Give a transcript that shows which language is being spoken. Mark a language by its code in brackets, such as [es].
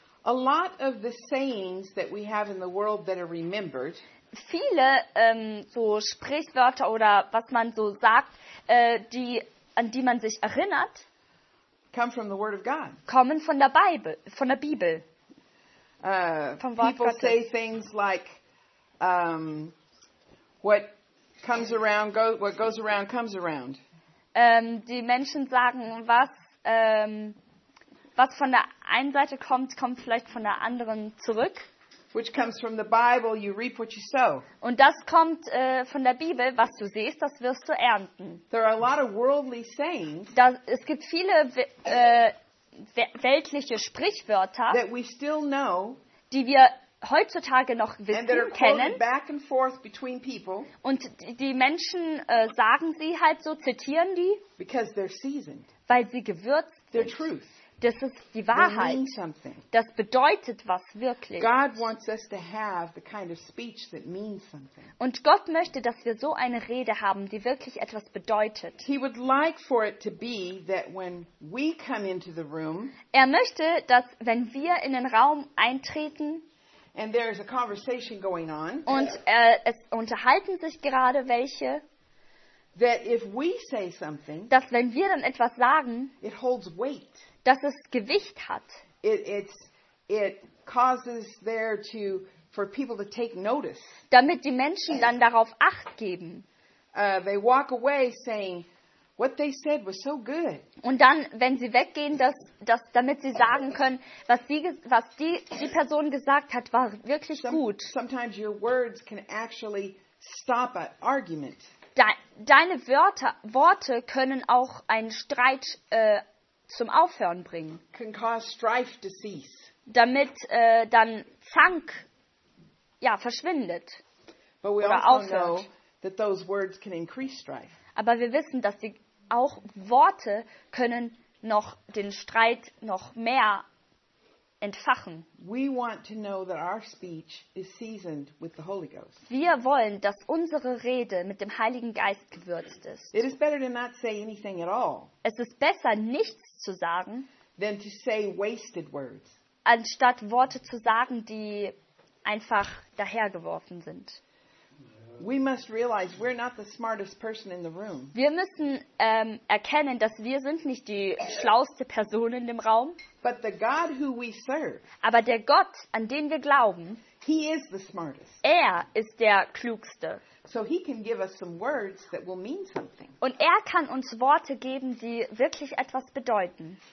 [en] A lot of the sayings that we have in the world that are remembered. [de] Viele so Sprichwörter oder was man so sagt, an die man sich erinnert, [en] come from the Word of God. [de] Kommen von der Bibel, von der Bibel. Vom Wort [en] people [de] Gottes. [en] Say things like, what goes around comes around. [de] Die Menschen sagen, was von der einen Seite kommt, kommt vielleicht von der anderen zurück. [en] Which comes from the Bible, you reap what you sow. [de] Und das kommt von der Bibel, was du siehst, das wirst du ernten. [en] There are a lot of worldly sayings. [de] Es gibt viele weltliche Sprichwörter, [en] that we still know, [de] die wir heutzutage noch wissen, kennen, [en] back and forth between people, [de] und die Menschen sagen sie halt so, zitieren die, [en] because they're seasoned. [de] Weil sie gewürzt [en] they're [de] sind. [en] Truth. [de] Das ist die Wahrheit. [en] They mean something. [de] Das bedeutet was wirklich. [en] God wants us to have the kind of speech that means something. [de] Und Gott möchte, dass wir so eine Rede haben, die wirklich etwas bedeutet. [en] He would like for it to be that when we come into the room, [de] er möchte, dass wenn wir in den Raum eintreten, [en] and there is a conversation going on, [de] und es unterhalten sich gerade welche, [en] that if we say something, [de] dass wenn wir dann etwas sagen, [en] it holds weight, [de] dass es Gewicht hat, [en] it causes there to for people to take notice, [de] damit die Menschen dann darauf Acht geben. [en] They walk away saying, what they said was so good. [de] Und dann, wenn sie weggehen, dass damit sie sagen können, was die Person gesagt hat, war wirklich gut. [en] Sometimes your words can actually stop an argument. [de] Deine Worte können auch einen Streit zum Aufhören bringen. [en] Can cause strife to cease. [de] Damit dann Zank verschwindet. [en] But we [de] oder [en] also [de] aufhört. [en] Know that those words can increase strife. [de] Aber wir wissen, dass die auch Worte können noch den Streit noch mehr entfachen. [en] We want to know that our speech is seasoned with the Holy Ghost. [de] Wir wollen, dass unsere Rede mit dem Heiligen Geist gewürzt ist. [en] It is better to not say anything at all. [de] Es ist besser, nichts zu sagen, [en] than to say wasted words. [de] Anstatt Worte zu sagen, die einfach dahergeworfen sind. [en] We must realize we're not the smartest person in the room. [de] Wir müssen erkennen, dass wir sind nicht die schlauste Person in dem Raum. [en] But the God who we serve. [de] Aber der Gott, an den wir glauben, [en] he is the smartest. [de] Er ist der klügste. [en] So he can give us some words that will mean something. [de] Und er kann uns Worte geben, die wirklich etwas bedeuten.